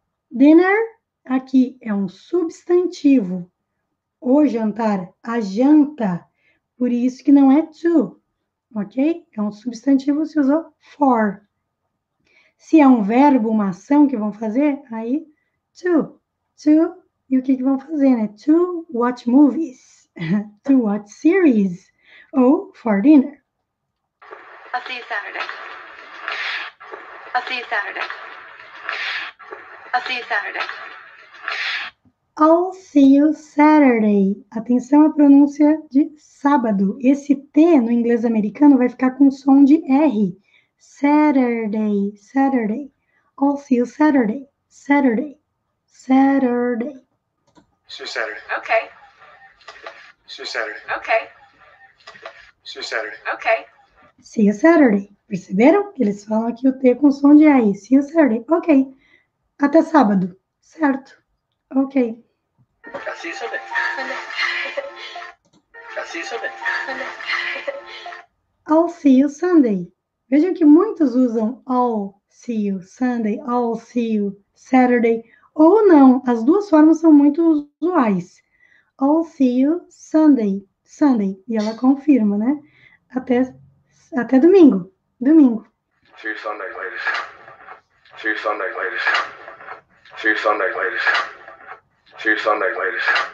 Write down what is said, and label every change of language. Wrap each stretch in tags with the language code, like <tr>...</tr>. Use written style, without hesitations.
<pt>Dinner aqui é um substantivo. O jantar, a janta, por isso que não é to, ok? É um substantivo, se usou for. Se é um verbo, uma ação que vão fazer, aí to. To, e o que, que vão fazer, né?</pt> <en>To watch movies, to watch series, ou for dinner. I'll see you Saturday. I'll see you Saturday. I'll see you Saturday. I'll see you Saturday.</en> <pt>Atenção à pronúncia de sábado. Esse T no inglês americano vai ficar com som de R.</pt> <en>Saturday, Saturday. I'll see you Saturday. I'll Saturday. Saturday. See you Saturday. Okay. See you Saturday. Okay. See you Saturday. Okay. See you Saturday.</en> <pt>Perceberam? Eles falam aqui o T com som de aí.</pt> <en>See you Saturday. Ok.</en> <pt>Até sábado. Certo.</pt> <en>Ok. See you Sunday. See you Sunday. I'll see you Sunday.</en> <pt>Vejam que muitos usam</pt> <en>I'll see you Sunday, I'll see you Saturday.</en> <pt>Ou não, as duas formas são muito usuais.</pt> <en>I'll see you Sunday. Sunday.</en> <pt>E ela confirma, né? Até domingo. Domingo.</pt> <en>See you Sunday, ladies. See you Sunday, ladies. See you Sunday, ladies. See you Sunday, ladies.</en>